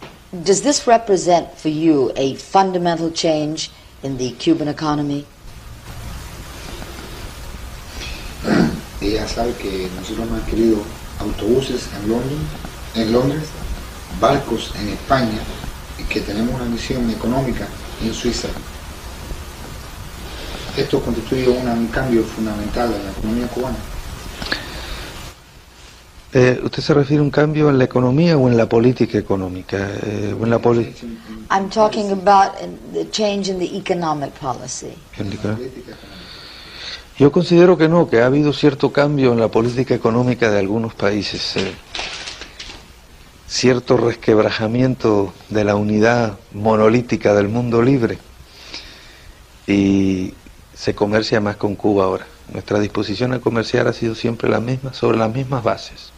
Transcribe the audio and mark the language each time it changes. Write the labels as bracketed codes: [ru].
[en] Does this represent for you a fundamental change in the Cuban economy? [es] Ella sabe que nosotros hemos adquirido autobuses en Londres, barcos en España y que tenemos una misión económica en Suiza. Esto constituye un cambio fundamental en la economía cubana. ¿Usted se refiere a un cambio en la economía o en la política económica? ¿O en la política? [en] I'm talking about the change in the economic policy. [es] En la política económica. Yo considero que no, que ha habido cierto cambio en la política económica de algunos países. Cierto resquebrajamiento de la unidad monolítica del mundo libre. Y se comercia más con Cuba ahora. Nuestra disposición a comerciar ha sido siempre la misma, sobre las mismas bases.